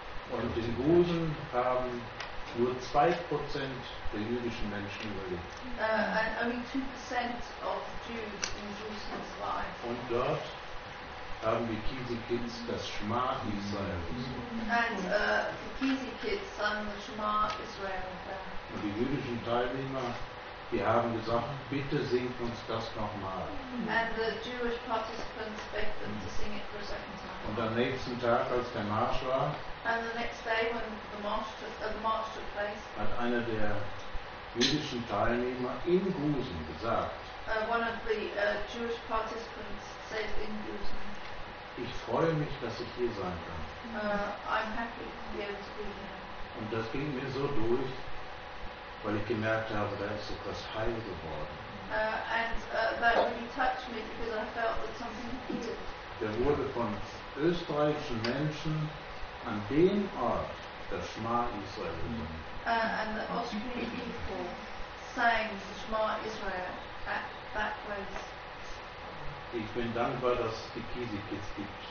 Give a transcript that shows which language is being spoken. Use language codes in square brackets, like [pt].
[de] Und in Gusen haben nur 2% der jüdischen Menschen überlebt. [en] And only 2% of Jews in Jerusalem survived. [de] Und dort haben die Kisi Kids das Schma Israel. [en] And the Kisi Kids sang the Shema Israel. [de] Und die jüdischen Teilnehmer, die haben gesagt, bitte singt uns das nochmal. [en] And the Jewish participants begged them to sing it for a second time. [de] Und am nächsten Tag, als der Marsch war, [en] and the next day when the march took place, [de] hat einer der jüdischen Teilnehmer in Gusen gesagt, [en] one of the Jewish participants said in Gusen, [de] ich freue mich, dass ich hier sein kann. [en] I'm happy to be able to be here. [de] Und das ging mir so durch, weil ich gemerkt habe, da ist etwas heil geworden. [en] That really touched me because I felt that something healed. [de] Der wurde von österreichischen Menschen an dem Ort das Schma Israel. [en] And the Austrian people sang the Schma Israel at that place. [de] Ich bin dankbar, dass es die Kisi Kids gibt.